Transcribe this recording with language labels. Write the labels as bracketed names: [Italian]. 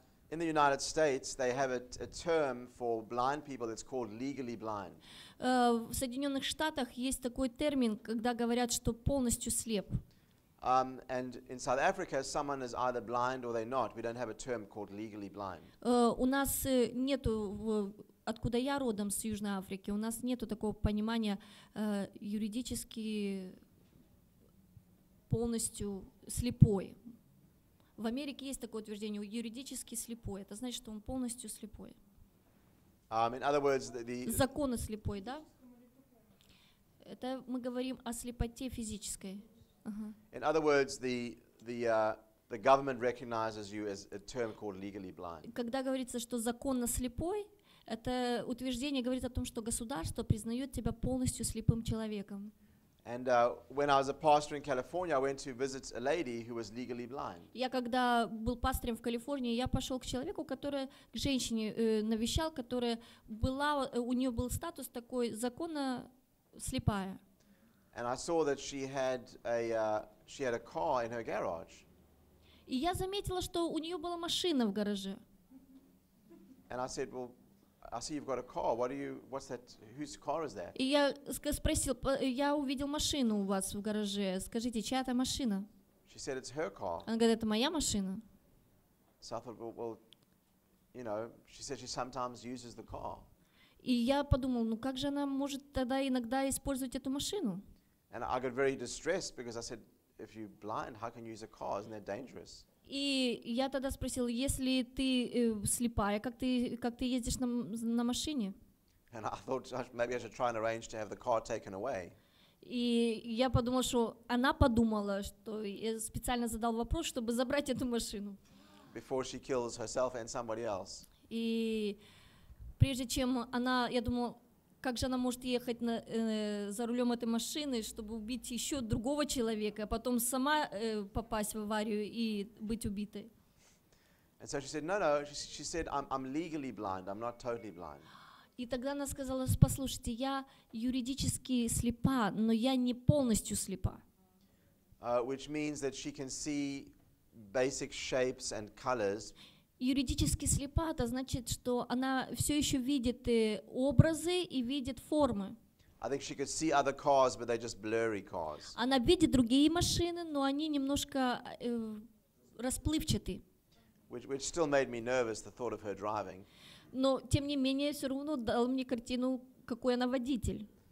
[English] In the United States, they have a term for blind people that's called legally blind. [Russian] В Соединенных Штатах есть такой термин, когда говорят, что полностью слеп. [English] And in South Africa, someone is either blind or they're not. We don't have a term called legally blind. [Russian] У нас нету, откуда я родом, с Южной Африки, у нас нету такого понимания юридически полностью слепой. В Америке есть такое утверждение, юридически слепой. Это значит, что он полностью слепой. [English] In other words, the [Russian] законно слепой, да? Это мы говорим о слепоте физической. [English] In other words, the government recognizes you as a term called legally blind. [Russian] Когда говорится, что законно слепой, это утверждение говорит о том, что государство признает тебя полностью слепым человеком. [English] And when I was a pastor in California, I went to visit a lady who was legally blind. [Russian] Я когда был пастором в Калифорнии, я пошел к человеку, который, к женщине навещал, которая была, у нее был статус такой законно слепая. [English] And I saw that she had a car in her garage. [Russian] И я заметила, что у нее была машина в гараже. [English] And I said, well, I see you've got a car. What's that? Whose car is that? [Russian] И я спросил, я увидел машину у вас в гараже. Скажите, чья это машина? [English] She said it's her car. [Russian] Она говорит, это моя машина. [English] So I thought, well, you know, she said she sometimes uses the car. [Russian] И я подумал, ну как же она может тогда иногда использовать эту машину? [English] And I got very distressed because I said, if you're blind, how can you use a car? Isn't that dangerous? [Russian] И я тогда спросил, если ты слепая, как ты ездишь на машине? [English] And I thought maybe I should try and arrange to have the car taken away. [Russian] И я подумал, что она подумала, что я специально задал вопрос, чтобы забрать эту машину. [English] Before she kills herself and somebody else. [Russian] И прежде чем она, я думал, как же она может ехать за рулем этой машины, чтобы убить еще другого человека, а потом сама попасть в аварию и быть убитой? [English] And so she said, no. She said, I'm legally blind. I'm not totally blind. [Russian] И тогда она сказала: послушайте, я юридически слепа, но я не полностью слепа. [English] Which means that she can see basic shapes and colors. [Russian] Юридически слепа, это значит, что она все еще видит образы и видит формы. [English] I think she could see other cars, but they're just blurry cars. [Russian] Она видит другие машины, но они немножко расплывчаты. [English] Which still made me nervous, the thought of her driving. [Russian] Но тем не менее все равно дал мне картину, какой она водитель.